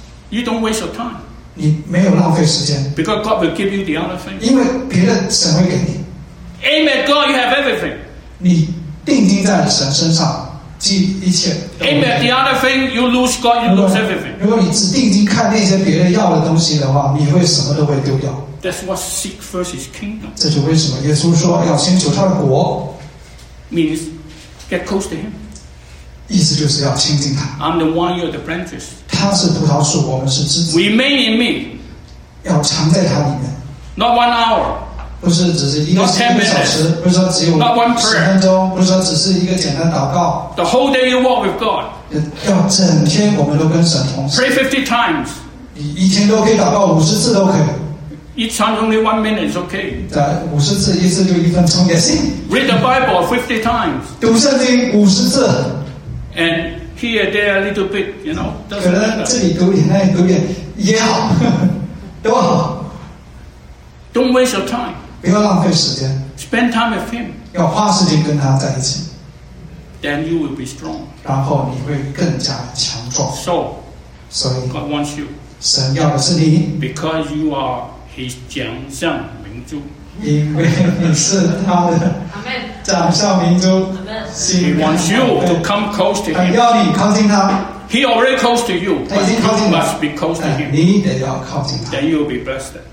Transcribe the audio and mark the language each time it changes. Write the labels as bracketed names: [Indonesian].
[English] ，you don't waste your time. [Chinese] 你没有浪费时间。 [English] Because God will give you the other thing. [Chinese] 因为别的神会给你。 [English] Aim at God, you have everything. [Chinese] 你定睛在神身上。 [English] Aim at the other thing, you lose God, you lose everything. [Chinese] 如果你只定睛看那些别人要的东西的话，你会什么都会丢掉。 [English] That's what seek first is kingdom. [Chinese] 这就为什么耶稣说要先求他的国。 [English] Means get close to Him. [Chinese] 意思就是要亲近他。 [English] I'm the one, you're the branches. [Chinese] 他是葡萄树，我们是枝子。 [English] Remain in me. [Chinese] 要藏在他里面。 [English] Not 1 hour. [Chinese] 不是只是一个小时 [English] minutes, [Chinese] 不是只有十分钟不是只是一个简单祷告 [English] The whole day you walk with God [Chinese] 要整天我们都跟神同时 [English] Pray 50 times [Chinese] 你一天都可以祷告五十次都可以 [English] Each time only 1 minute is okay [Chinese] 对五十次一次就一分钟也行 [English] Read the Bible 50 times [Chinese] 读圣经五十次 [English] And here there a little bit you know, [Chinese] 可能这里读点那里读点也好都好 [English] Don't waste your time [Chinese] 不要浪费时间 [English] Spend time with him [Chinese] 要花时间跟他在一起 [English] Then you will be strong [Chinese] 然后你会更加强壮 [English] So, [Chinese] 所以 [English] God wants you [Chinese] 神要的是你 [English] Because you are his [Chinese] 奖项明珠因为你是他的奖项明珠 [English] He wants you to come close to him [Chinese] 要你靠近他 [English] He already close to you [Chinese] 他已经靠近你 [English] must be close to him [Chinese] 你得要靠近他 [English] Then you will be blessed